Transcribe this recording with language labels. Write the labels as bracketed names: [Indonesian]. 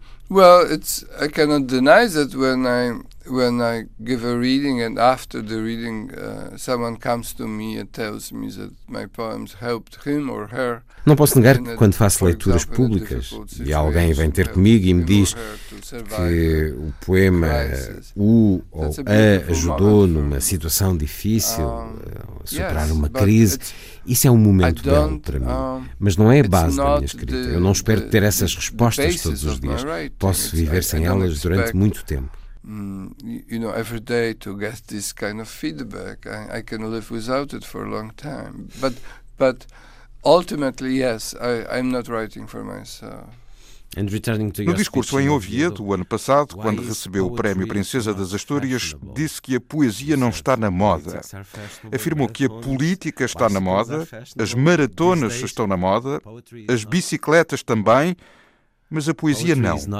[English] Well, it's I cannot deny that when I give a reading and after the reading someone comes to me and tells me that my poems helped him or her. [Portuguese] Não posso negar que quando faço leituras públicas e alguém vem ter comigo e me diz que o poema o ou a ajudou numa situação difícil, superar uma crise, isso é um momento belo para mim. Mas não é a base da minha escrita. Eu não espero ter essas respostas todos os dias. Posso viver sem elas durante muito tempo. [English] You know, every day to get this kind of feedback, I can live without it for a long time. But ultimately, yes, I'm not writing for myself. And returning to [Portuguese] no discurso em Oviedo, o ano passado, quando recebeu o Prémio Princesa das Astúrias, disse que a poesia não está na moda. Afirmou que a política está na moda, as maratonas estão na moda, as bicicletas também, mas a poesia não.